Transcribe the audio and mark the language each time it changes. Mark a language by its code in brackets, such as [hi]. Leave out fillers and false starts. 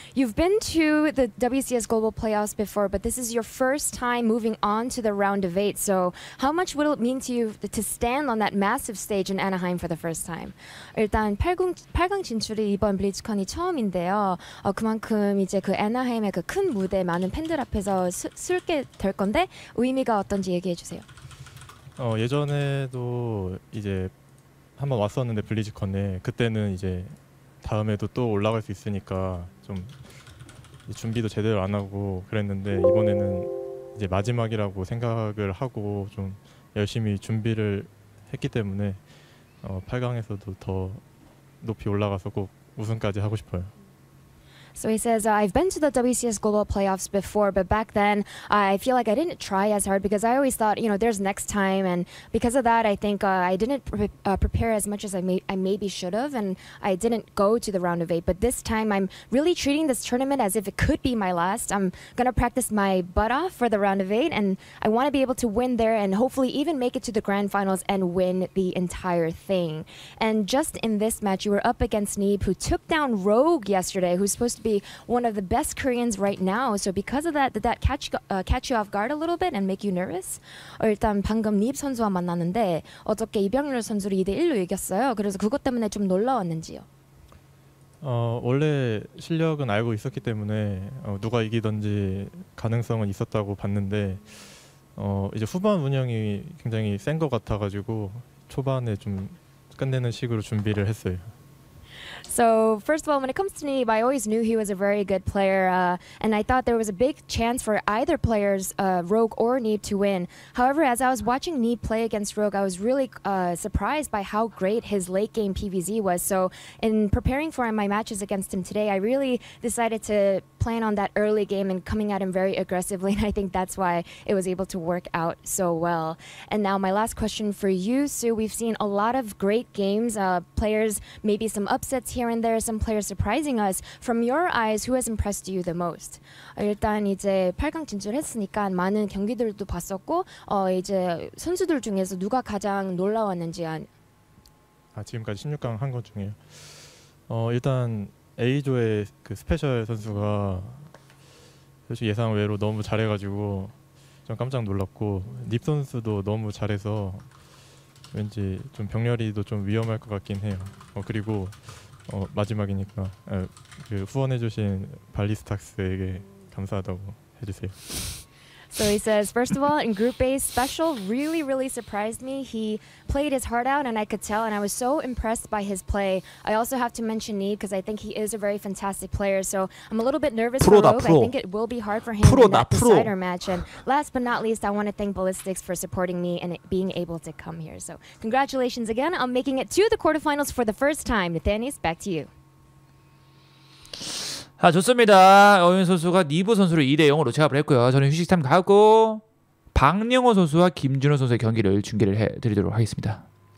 [en] You've been to the WCS Global Playoffs before, but this is your first time moving on to the round of eight. So how much will it mean to you to stand on that massive stage in Anaheim for the first time? [ko] 일단 8강 진출이 이번 블리즈컨이 처음인데요. 그만큼 이제 그 애나하임의 그 큰 무대 많은 팬들 앞에서 쓸게 될 건데 의미가 어떤지 얘기해 주세요. 예전에도 이제 한번 왔었는데 블리즈컨에 그때는 이제 다음에도 또 올라갈 수 있으니까 좀 준비도 제대로 안 하고 그랬는데 이번에는 이제 마지막이라고 생각을 하고 좀 열심히 준비를 했기 때문에 8강에서도 더 높이 올라가서 꼭 우승까지 하고 싶어요. [en] So he says, I've been to the WCS Global Playoffs before, but back then, I feel like I didn't try as hard because I always thought, you know, there's next time. And because of that, I think I didn't prepare as much as I maybe should have, and I didn't go to the round of eight. But this time, I'm really treating this tournament as if it could be my last. I'm going to practice my butt off for the round of eight, and I want to be able to win there and hopefully even make it to the grand finals and win the entire thing. And just in this match, you were up against Neeb, who took down Rogue yesterday, who's supposed to be one of the best Koreans right now. So because of that, did that catch you off guard a little bit and make you nervous? [ko] 어, 일단 방금 니입 선수와 만났는데 어저께 이병렬 선수를 2-1로 이겼어요. 그래서 그것 때문에 좀 놀라웠는지요? 원래 실력은 알고 있었기 때문에 누가 이기든지 가능성은 있었다고 봤는데 이제 후반 운영이 굉장히 센 것 같아가지고 초반에 좀 끝내는 식으로 준비를 했어요. [en] So first of all, when it comes to Neeb, I always knew he was a very good player, and I thought there was a big chance for either players, Rogue or Neeb, to win. However, as I was watching Neeb play against Rogue, I was really surprised by how great his late game PVZ was. So in preparing for my matches against him today, I really decided to plan on that early game and coming at him very aggressively, and I think that's why it was able to work out so well. And now my last question for you, Sue. We've seen a lot of great games, players, maybe some upsets here and there, some players surprising us. From your eyes, who has impressed you the most? [ko] 일단 이제 8강 진출했으니까 많은 경기들도 봤었고 이제 선수들 중에서 누가 가장 놀라웠는지 안 지금까지 16강 한 것 중에 일단 A조의 그 스페셜 선수가 솔직히 예상 외로 너무 잘해가지고 좀 깜짝 놀랐고 닙 선수도 너무 잘해서 왠지 좀 병렬이도 좀 위험할 것 같긴 해요. 그리고 마지막이니까 그 후원해주신 발리스탁스에게 감사하다고 해주세요. [en] So he says, first of all, in Group A, Special really, really surprised me. He played his heart out, and I could tell, and I was so impressed by his play. I also have to mention Neeb, because I think he is a very fantastic player. So I'm a little bit nervous for Rogue. I think it will be hard for him in that decider match. And last but not least, I want to thank Ballistics for supporting me and being able to come here. So congratulations again on making it to the quarterfinals for the first time. Nathanis, back to you. [ko] 아, 좋습니다. 어윈 선수가 니브 선수를 2-0으로 제압을 했고요. 저는 휴식 타임 가고 박영호 선수와 김준호 선수의 경기를 중계를 해드리도록 하겠습니다.